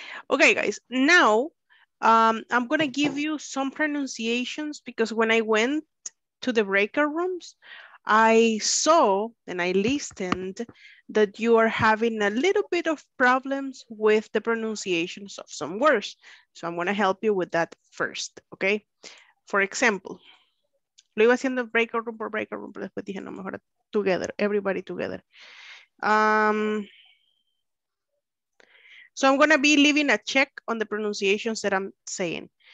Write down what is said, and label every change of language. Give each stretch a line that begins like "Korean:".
English: Okay, guys, now I'm going to give you some pronunciations because when I went to the breakout rooms, I saw and I listened that you are having a little bit of problems with the pronunciations of some words. So I'm going to help you with that first, okay? For example,
Spanish: lo iba haciendo breakout room por breakout room, pero después dije, no, mejor
English: together, everybody together. So I'm going to be leaving a check on the pronunciations that I'm saying.